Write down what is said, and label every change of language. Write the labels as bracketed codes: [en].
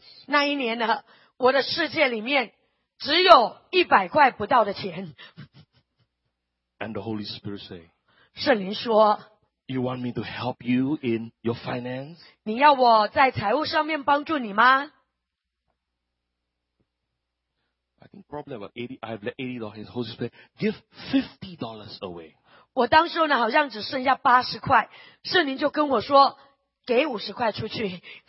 [zh] 那一年呢，我的世界里面只有100块不到的钱。 [en] And the Holy Spirit say, [zh] 圣灵说， [en] You want me to help you in your finance? [zh] 你要我在财务上面帮助你吗？ [en] I think probably about 80, I have $80. Holy Spirit, give $50 away. [zh] 我当时呢好像只剩下80块，圣灵就跟我说，给50块出去。